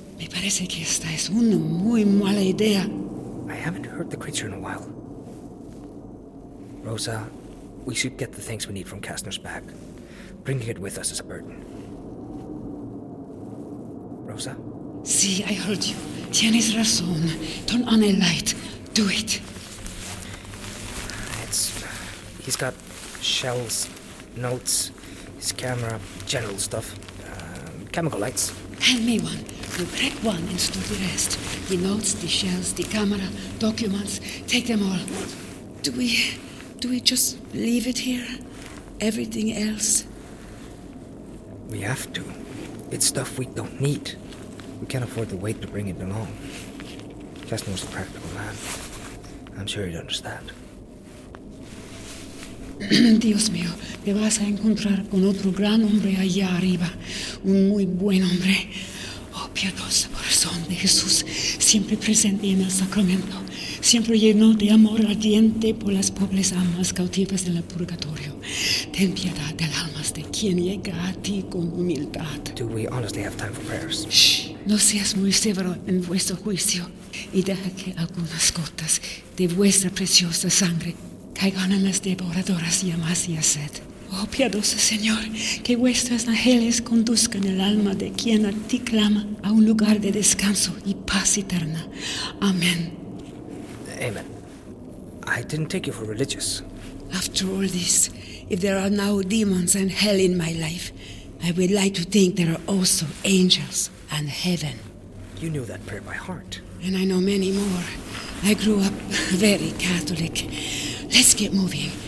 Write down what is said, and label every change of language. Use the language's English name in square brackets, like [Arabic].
[Spanish] Me parece que esta es una muy mala idea. [English] I haven't heard the creature in a while. Rosa, we should get the things we need from Kastner's bag. Bringing it with us is a burden. Rosa? Si, I heard you. Tienes razón. Turn on a light. Do it. It's... He's got shells, notes, his camera, general stuff. Chemical lights. Hand me one. We'll prep one and store the rest. The notes, the shells, the camera, documents. Take them all. Do we just leave it here? Everything else? We have to. It's stuff we don't need. We can't afford the weight to bring it along. Kastner's a practical man. I'm sure he'd understand. [Spanish] Dios mío, te vas a encontrar con otro gran hombre allá arriba. Un muy buen hombre. Oh, piadoso corazón de Jesús, siempre presente en el sacramento. Siempre lleno de amor ardiente por las pobres almas cautivas en el purgatorio. Ten piedad de las almas de quien llega a ti con humildad. [English] Do we honestly have time for prayers? [Spanish] Shh, no seas muy severo en vuestro juicio. Y deja que algunas gotas de vuestra preciosa sangre caigan en las devoradoras llamas y a sed. Oh, piadoso Señor, que vuestras ángeles conduzcan el alma de quien a ti clama a un lugar de descanso y paz eterna. Amén. [English] Amen. I didn't take you for religious. After all this, if there are now demons and hell in my life, I would like to think there are also angels and heaven. You knew that prayer by heart. And I know many more. I grew up very Catholic. Let's get moving.